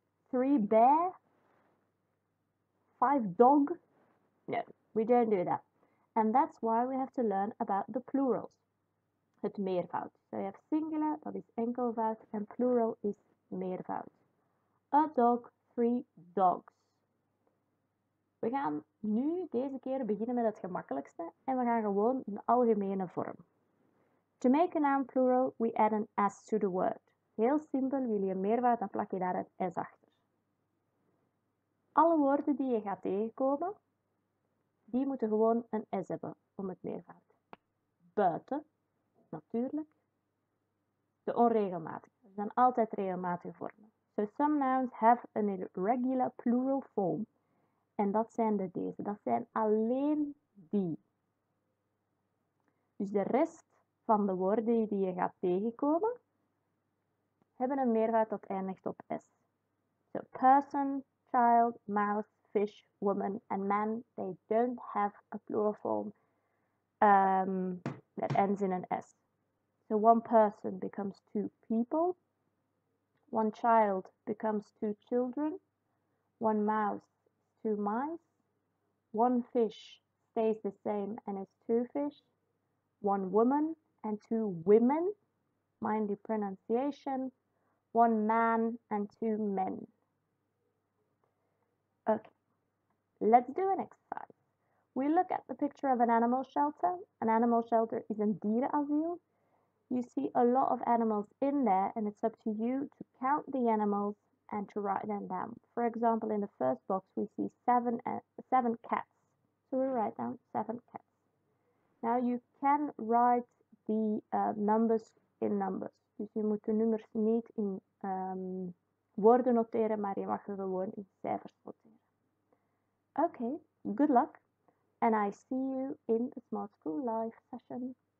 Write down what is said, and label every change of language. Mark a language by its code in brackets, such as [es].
[en] Three bear? Five dog? No, we don't do that. And that's why we have to learn about the plurals. [nl] Het meervoud. [en] So you have singular, that is enkelvoud, and plural is meervoud. A dog, three dogs. [nl] We gaan nu deze keer beginnen met het gemakkelijkste en we gaan gewoon een algemene vorm. [en] To make a noun plural, we add an S to the word. [nl] Heel simpel, wil je meervoud, dan plak je daar het S achter. Alle woorden die je gaat tegenkomen, die moeten gewoon een S hebben om het meervoud. Buiten, natuurlijk. De onregelmatige. Er zijn altijd regelmatige vormen. [en] So some nouns have an irregular plural form. [nl] En dat zijn de deze. Dat zijn alleen die. Dus de rest van de woorden die je gaat tegenkomen, hebben een meervoud dat eindigt op S. [en] So person, child, mouse, fish, woman and man, they don't have a plural form that ends in an S. So one person becomes two people. One child becomes two children. One mouse, two mice. One fish stays the same and is two fish. One woman and two women. Mind the pronunciation. One man and two men. Okay, let's do an exercise. We look at the picture of an animal shelter. An animal shelter is [nl] een dierenasiel. [en] You see a lot of animals in there, and it's up to you to count the animals and to write them down. For example, in the first box, we see seven cats. So we write down seven cats. Now you can write the numbers in numbers. [nl] Dus je moet de nummers niet in woorden noteren, maar je mag gewoon in cijfers noteren. [en] Okay, good luck, and I see you in the Smart School Life session.